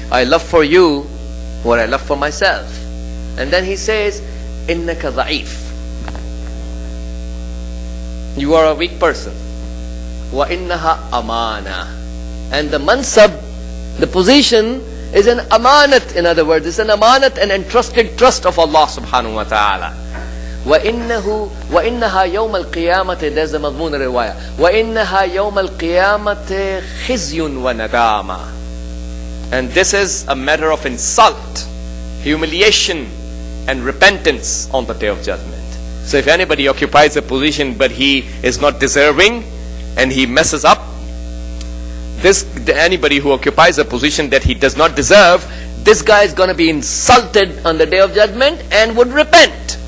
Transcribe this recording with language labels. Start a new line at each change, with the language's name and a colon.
English: I love for you what I love for myself. And then he says,
Arabic: "Innaka dha'if."
English: You are a weak person.
Arabic: "Wa innaha amana."
English: And the mansab, the position, is an amanat. In other words, it's an amanat, an entrusted trust of Allah subhanahu wa ta'ala.
Arabic: وَإِنَّهَا يَوْمَ الْقِيَامَةِ
English: There's the
Arabic: مضمون الرواية. وَإِنَّهَا يَوْمَ الْقِيَامَةِ خِزْيٌ وَنَدَامَ
English: And this is a matter of insult, humiliation, and repentance on the Day of Judgment. So if anybody occupies a position but he is not deserving and he messes up, this anybody who occupies a position that he does not deserve, this guy is going to be insulted on the Day of Judgment and would repent.